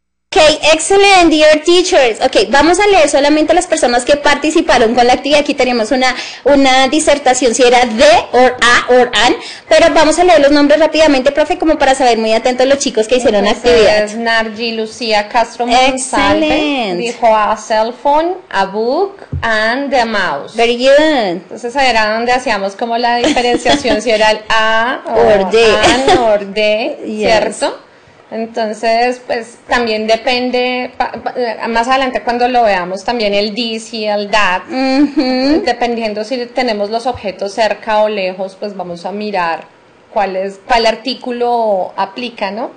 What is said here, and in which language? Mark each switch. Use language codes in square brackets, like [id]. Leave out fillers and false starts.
[en] Okay, excellent, dear teachers. [es] Okay, vamos a leer solamente las personas que participaron con la actividad. Aquí tenemos una disertación, si era de or a or an, pero vamos a leer los nombres rápidamente, profe, como para saber muy atentos los chicos que hicieron la actividad. Es Nargi Lucía Castro Monsalve. Dijo [en] a cell phone, a book, and the mouse. Very good. [es] Entonces ahí era donde hacíamos como la diferenciación, si era el a [en] or de. An or de, [es] ¿cierto? [en] Yes. [es] Entonces, pues, también depende, más adelante cuando lo veamos, también el this y el that, dependiendo si tenemos los objetos cerca o lejos, pues vamos a mirar cuál artículo aplica, ¿no?